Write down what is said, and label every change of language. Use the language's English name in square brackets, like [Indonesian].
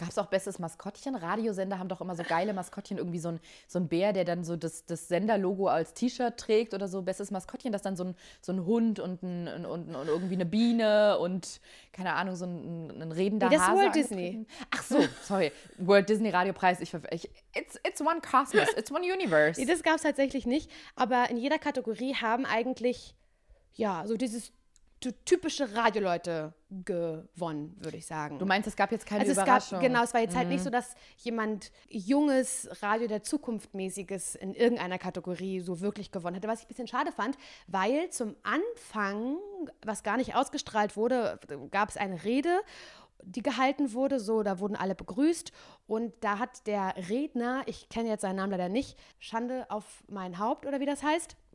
[German] Gab es auch bestes Maskottchen? Radiosender haben doch immer so geile Maskottchen, irgendwie so ein Bär, der dann so das Senderlogo als T-Shirt trägt oder so. Bestes Maskottchen, das dann so ein Hund und irgendwie eine Biene und keine Ahnung, so ein redender Hase. Das ist Walt Disney. Ach so, sorry. Walt Disney Radiopreis. [English] It's one cosmos, it's one universe. [German] Nee, das gab es tatsächlich nicht, aber in jeder Kategorie haben eigentlich ja, so dieses typische Radioleute gewonnen, würde ich sagen. Du meinst, es gab jetzt keine also es Überraschung? Gab, genau, es war jetzt halt nicht so, dass jemand junges Radio der Zukunftmäßiges in irgendeiner Kategorie so wirklich gewonnen hätte, was ich ein bisschen schade fand, weil zum Anfang, was gar nicht ausgestrahlt wurde, gab es eine Rede, die gehalten wurde, so, da wurden alle begrüßt und da hat der Redner, ich kenne jetzt seinen Namen leider nicht, Schande auf mein Haupt oder wie das heißt?